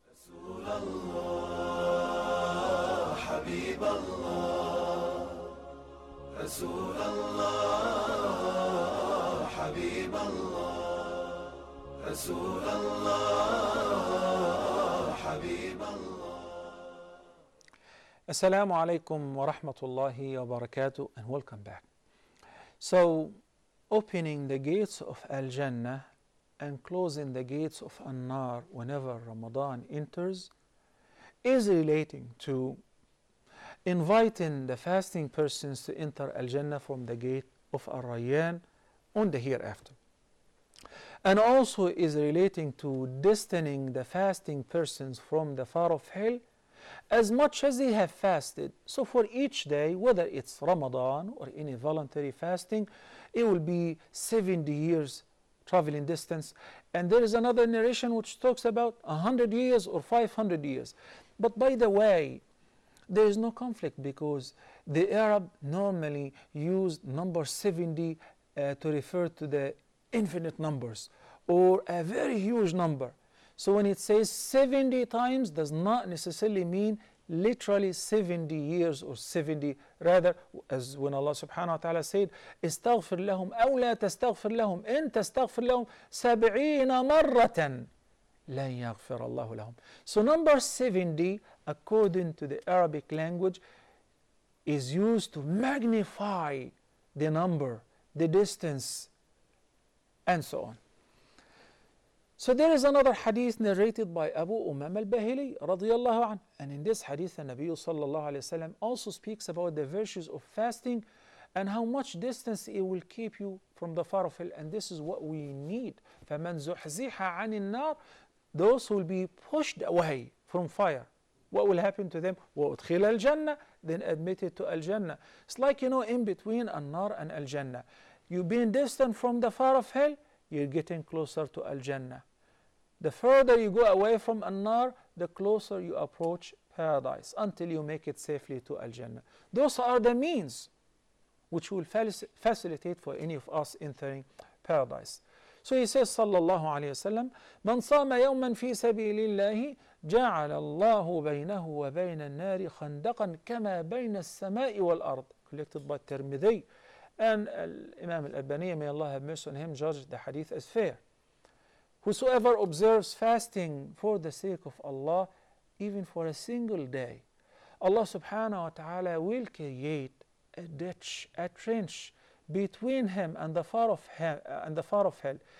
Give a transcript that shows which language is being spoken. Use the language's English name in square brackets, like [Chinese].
[Arabic] رسول الله حبيب الله رسول الله حبيب الله رسول الله حبيب الله. السلام عليكم ورحمة الله وبركاته, [English] and welcome back. So opening the gates of Al-Jannah and closing the gates of An-Nar whenever Ramadan enters is relating to inviting the fasting persons to enter Al-Jannah from the gate of Ar-Rayyan on the hereafter. And also is relating to distancing the fasting persons from the far of hell as much as they have fasted. So for each day, whether it's Ramadan or any voluntary fasting, it will be 70 years traveling distance. And there is another narration which talks about 100 years or 500 years. But by the way, there is no conflict, because the Arab normally used number 70 to refer to the infinite numbers or a very huge number. So when it says 70 times, does not necessarily mean literally 70 years or 70. Rather, as when Allah subhanahu wa ta'ala said, [Arabic] استغفر لهم أو لا تستغفر لهم إن تستغفر لهم 70 مرة لن يغفر الله لهم. [English] So number 70, according to the Arabic language, is used to magnify the number, the distance, and so on. So there is another hadith narrated by Abu Umam al-Bahili radiyallahu an. And in this hadith, the Nabi sallallahu alayhi wa sallam also speaks about the virtues of fasting and how much distance it will keep you from the far of hell. And this is what we need. [Arabic] فَمَنْ زُحْزِحَ عَنِ النَّارِ, [English] those who will be pushed away from fire. What will happen to them? [Arabic] وَأُدْخِلَ الْجَنَّةِ, [English] then admitted to al-Jannah. It's like, you know, in between an-nar and al-Jannah. You've been distant from the far of hell, you're getting closer to Al-Jannah. The further you go away from An-Nar, the closer you approach paradise until you make it safely to Al-Jannah. Those are the means which will facilitate for any of us entering paradise. So he says, sallallahu alayhi wa sallam, [Arabic] من صام يوما في سبيل الله جعل الله بينه وبين النار خندقا كما بين السماء والأرض. [English] Collected by Tirmidhi. And Imam al-Albani, may Allah have mercy on him, judged the hadith as fair. Whosoever observes fasting for the sake of Allah, even for a single day, Allah subhanahu wa ta'ala will create a ditch, a trench between him and the far of hell, and the far of hell.